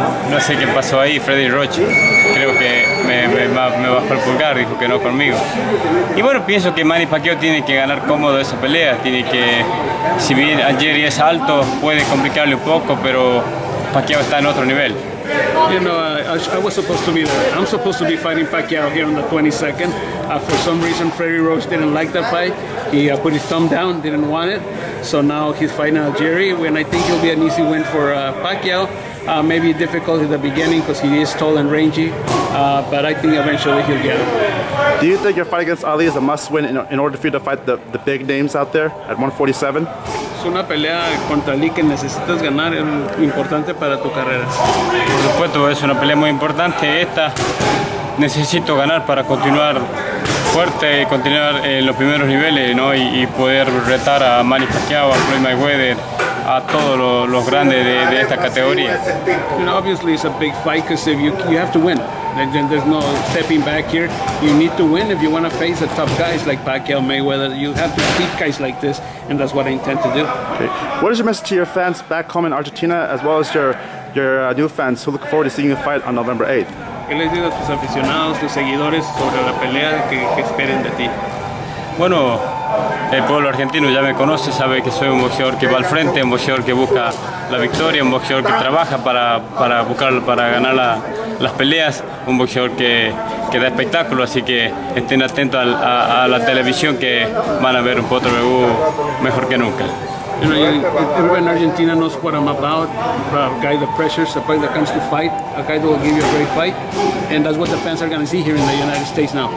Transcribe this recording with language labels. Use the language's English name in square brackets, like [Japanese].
[Spanish] No sé qué pasó ahí, Freddy Roach. Creo que me bajó el pulgar, dijo que no conmigo. Y bueno, pienso que Manny Pacquiao tiene que ganar cómodo esa pelea. Tiene que, si bien Algeri es alto, puede complicarle un poco, pero Pacquiao está en otro nivel. [English] You know, I was supposed to be there. I'm supposed to be fighting Pacquiao here on the 22nd. For some reason, Freddie Roach didn't like that fight. He put his thumb down, didn't want it. So now he's fighting Algeri, and I think it'll be an easy win for Pacquiao. Maybe difficult at the beginning because he is tall and rangy, but I think eventually he'll get it. Do you think your fight against Ali is a must-win in order for you to fight the big names out there at 147? [Spanish] Es una pelea contra Ali que necesitas ganar, es importante para tu carrera. Por supuesto, es una pelea muy importante esta. Necesito ganar para continuar fuerte y continuar en los primeros niveles, ¿no? Y poder retar a Manny Pacquiao, a Floyd Mayweather, a todos los grandes de esta categoría. [English] And obviously it's a big fight because if you have to win. Like, there's no stepping back here. You need to win if you want to face the top guys like Pacquiao, Mayweather. You have to beat guys like this, and that's what I intend to do. Okay. What is your message to your fans back home in Argentina, as well as your new fans who look forward to seeing you fight on November 8th? [Spanish] ¿Qué les digo a tus aficionados, tus seguidores sobre la pelea que esperen de ti? Bueno, el pueblo argentino ya me conoce, sabe que soy un boxeador que va al frente, un boxeador que busca la victoria, un boxeador que trabaja para buscar, para ganar las peleas, un boxeador que da espectáculo, así que estén atentos a la televisión, que van a ver un Potro Begú mejor que nunca. [English] You know, everyone in Argentina knows what I'm about. A guy that pressures, a guy that comes to fight, a guy that will give you a great fight. And that's what the fans are going to see here in the United States now.